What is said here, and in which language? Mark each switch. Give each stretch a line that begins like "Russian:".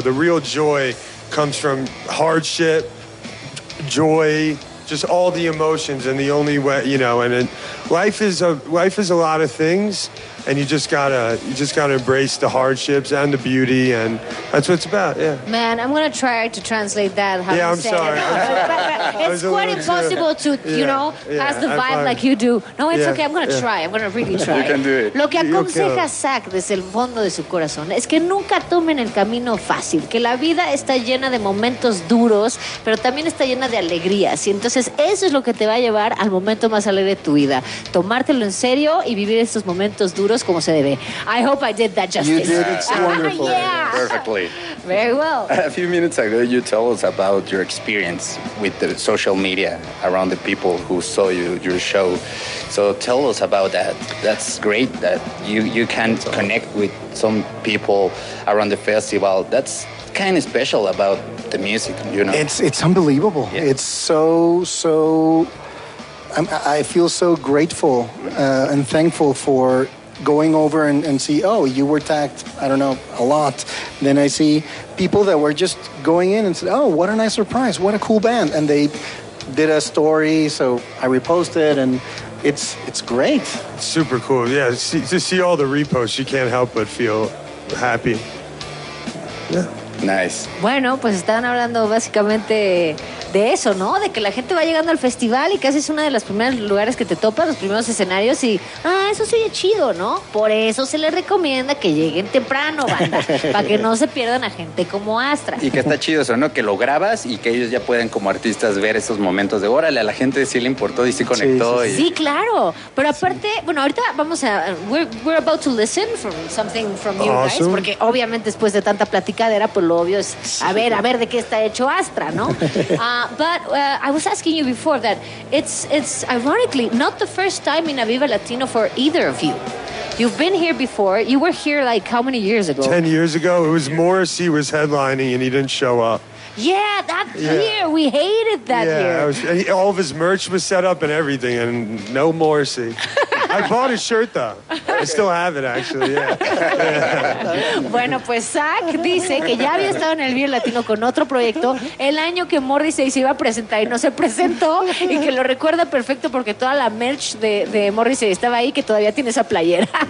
English: The real joy comes from hardship, joy, just all the emotions, and the only way, you know, and life is a lot of things, and you just gotta embrace the hardships and the beauty, and that's what it's about. Yeah, man, I'm gonna try to translate that. How I'm sorry. It's quite impossible to pass the vibe like you do. No, it's okay. I'm gonna really try. You can do it.
Spanish: Lo que aconseja Zach desde el fondo de su corazón es que nunca tomen el camino fácil, que la vida está llena de momentos duros, pero también está llena de alegrías, y entonces eso es lo que te va a llevar al momento más alegre de tu vida. Tomártelo en serio y vivir estos momentos duros como se debe.
English: I hope I did that justice. You did. It's wonderful. Yeah. Perfectly. Very well. A few minutes ago, you told us about your experience with the social media around the people who saw you, your show. So tell us about that. That's great that you can connect with some people around the festival. That's kind of special about the music, you know? It's unbelievable. Yeah. It's so... I feel so grateful and thankful for going over and see, oh, you were tagged, I don't know, a lot. Then I see people that were just going in and said, oh, what a nice surprise, what a cool band. And they did a story, so I reposted, and it's great. It's super cool, yeah. To see all the reposts, you can't help but feel happy. Yeah. Nice.
Spanish: Bueno, pues están hablando básicamente de eso, ¿no? De que la gente va llegando al festival y casi es uno de los primeros lugares que te topas, los primeros escenarios, y eso se oye chido, ¿no? Por eso se les recomienda que lleguen temprano, banda, para que no se pierdan a gente como Astra. Y que está chido eso, ¿no? Que lo grabas y que ellos ya pueden, como artistas, ver esos momentos de, órale, a la gente sí le importó y sí conectó. Sí, sí, sí. Y... sí, claro. Pero aparte, bueno, ahorita vamos a...
English: We're about to listen from something from you, awesome,
Spanish: Porque obviamente después de tanta platicadera, pues lo obvio es, a ver de qué está hecho Astra, ¿no?
English: But I was asking you before that it's ironically not the first time in Aviva Latino for either of you. You've been here before. You were here like how many years ago? 10 years ago. It was Morrissey was headlining and he didn't show up. Year. We hated that year. All of his merch was set up and everything and no Morrissey. I bought a shirt, though. Okay. I still have it, actually, yeah.
Spanish: Bueno, pues Zach dice que ya había estado en el Vive Latino con otro proyecto el año que Morrissey se iba a presentar y no se presentó, y que lo recuerda perfecto porque toda la merch de Morrissey estaba ahí, que todavía tiene esa playera.